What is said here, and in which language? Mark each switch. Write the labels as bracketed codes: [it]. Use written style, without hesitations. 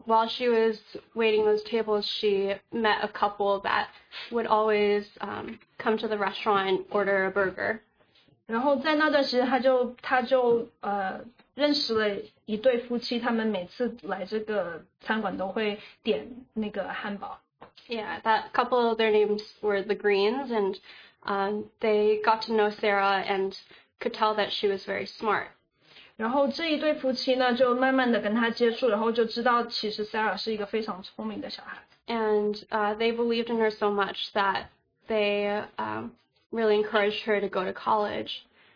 [en] while she was waiting those tables, she met a couple that would always come to the restaurant and order a burger. [zh] 然后在那段时间，她认识了一对夫妻，他们每次来这个餐馆都会点那个汉堡。 [en] Yeah, that couple, their names were the Greens, and they got to know Sarah and could tell that she was very smart. [zh] 然后这一对夫妻呢，就慢慢的跟她接触，然后就知道其实Sarah是一个非常聪明的小孩。 [en] And they believed in her so much that they really encouraged her to go to college.